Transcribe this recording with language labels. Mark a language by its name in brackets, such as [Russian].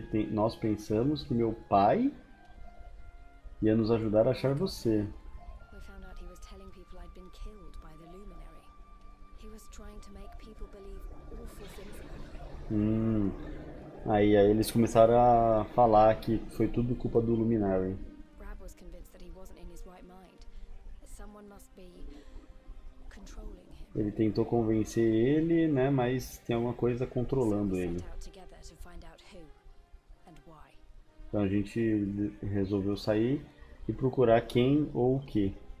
[Portuguese] Nós pensamos que meu pai ia nos ajudar a achar você. [English] We found out he was telling people I'd been killed by the Luminary. He was trying to make people believe awful things about me. [Portuguese] Aí eles começaram a falar que foi tudo culpa do Luminary. [English] Rab was convinced that he wasn't in his right mind. Someone must be controlling him. [Portuguese] Ele tentou convencer ele, né, mas tem alguma coisa controlando [English] So we [Portuguese] ele. [English] set out together to find out who and why. [Portuguese] Então a gente resolveu sair e procurar quem ou o quê.